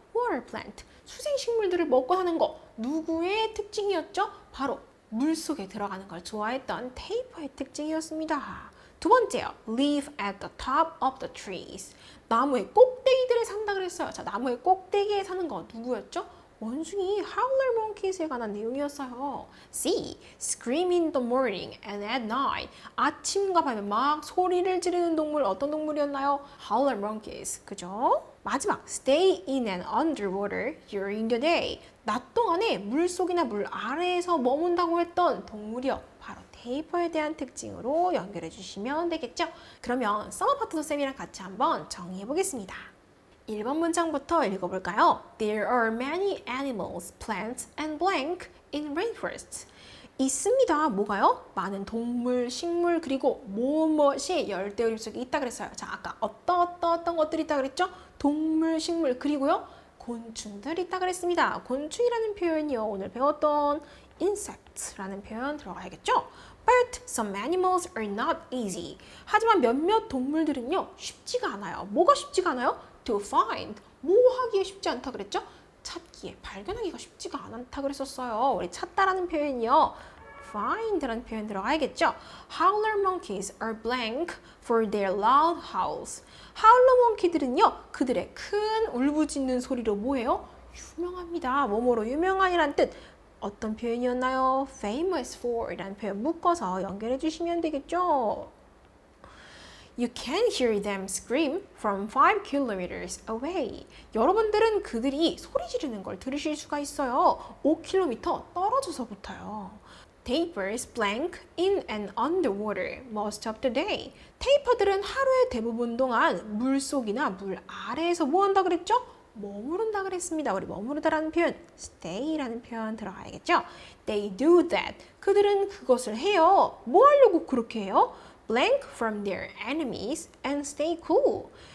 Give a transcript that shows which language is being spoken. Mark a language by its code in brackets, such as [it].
[en] Water plant, [ko] 수생식물들을 먹고 사는 거. 누구의 특징이었죠? 바로 물속에 들어가는 걸 좋아했던 테이퍼의 특징이었습니다. 두 번째요. [en] Live at the top of the trees. [ko] 나무의 꼭대기들에 산다 그랬어요. 자, 나무의 꼭대기에 사는 거 누구였죠? 원숭이 howler monkeys에 관한 내용이었어요. [en] See, scream in the morning and at night. [ko] 아침과 밤에 막 소리를 지르는 동물 어떤 동물이었나요? howler monkeys, 그죠? 마지막, [en] stay in and underwater during the day. [ko] 낮 동안에 물 속이나 물 아래에서 머문다고 했던 동물이요. 바로 테이퍼에 대한 특징으로 연결해 주시면 되겠죠? 그러면 summer part도 쌤이랑 같이 한번 정리해 보겠습니다. 1번 문장부터 읽어볼까요? [en] There are many animals, plants, and blank in rainforests. [ko] 있습니다. 뭐가요? 많은 동물, 식물, 그리고 무엇이 열대우림 속에 있다 그랬어요. 자, 아까 어떤 것들이 있다 그랬죠? 동물, 식물, 그리고요? 곤충들이 있다 그랬습니다. 곤충이라는 표현이요. 오늘 배웠던 insects라는 표현 들어가야겠죠? [en] But some animals are not easy. [ko] 하지만 몇몇 동물들은요, 쉽지가 않아요. 뭐가 쉽지가 않아요? [en] To find, [ko] 뭐 하기에 쉽지 않다 그랬죠? 찾기에, 발견하기가 쉽지가 않다 그랬었어요. 우리 찾다라는 표현이요, find라는 표현 들어가야겠죠? [en] Howler monkeys are blank for their loud howls. [ko] Howler monkey들은요, 그들의 큰 울부짖는 소리로 뭐해요? 유명합니다. 뭐뭐로 유명한이란 뜻. 어떤 표현이었나요? famous for라는 표현 묶어서 연결해 주시면 되겠죠? [en] You can hear them scream from 5 kilometers away. [ko] 여러분들은 그들이 소리 지르는 걸 들으실 수가 있어요. 5km 떨어져서부터요. [en] Tapirs blank in and underwater most of the day. [ko] 테이퍼들은 하루의 대부분 동안 물 속이나 물 아래에서 뭐 한다 그랬죠? 머무른다 그랬습니다. 우리 머무르다라는 표현, stay라는 표현 들어가야겠죠? [en] They do that. [ko] 그들은 그것을 해요. 뭐 하려고 그렇게 해요? [en] Blank from their enemies and stay cool.